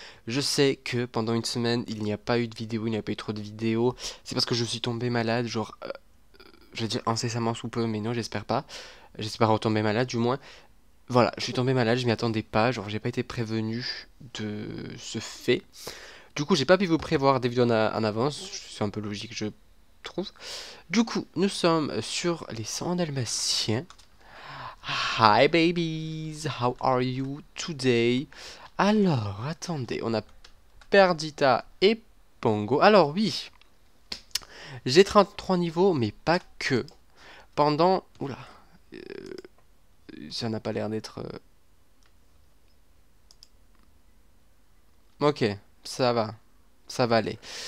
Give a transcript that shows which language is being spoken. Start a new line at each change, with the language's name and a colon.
French: Je sais que pendant une semaine, il n'y a pas eu de vidéo, il n'y a pas eu trop de vidéos, c'est parce que je suis tombé malade, genre, je vais dire incessamment sous peu, mais non, j'espère pas, j'espère retomber malade du moins. Voilà, je suis tombé malade, je m'y attendais pas, genre j'ai pas été prévenu de ce fait. Du coup, j'ai pas pu vous prévoir des vidéos en avance, c'est un peu logique, je trouve. Du coup, nous sommes sur les 101 Dalmatiens.
English: Hi babies, how are you today?
French: Alors, attendez, on a Perdita et Pongo. Alors, oui, j'ai 33 niveaux, mais pas que. Pendant. Oula. Ça n'a pas l'air d'être. Ok, ça va. Ça va aller.